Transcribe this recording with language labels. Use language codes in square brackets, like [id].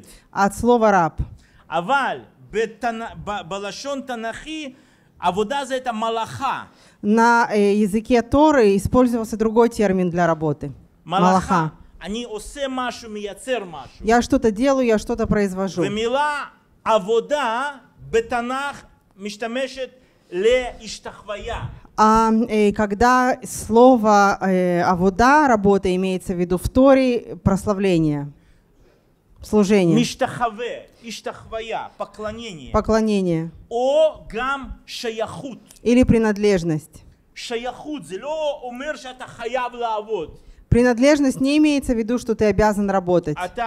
[ru] От слова раб. На языке Торы использовался другой термин для работы. Малаха. [he] אני עושה משהו, מייצר משהו. [ru] Я что-то делаю, я что-то произвожу. [he] ומילה עבודה בתנך משתמשת להשתחוויה. [ru] А когда слово עבודה, работа, имеется в виду в Торе, прославление, служение. [he] משתחווה, השתחוויה, поклонение. [ru] Поклонение. [he] О גם שייכות. [ru] Или принадлежность. [he] שייכות, זה לא אומר שאתה חייב לעבוד. [ru] Принадлежность не имеется в виду, что ты обязан работать.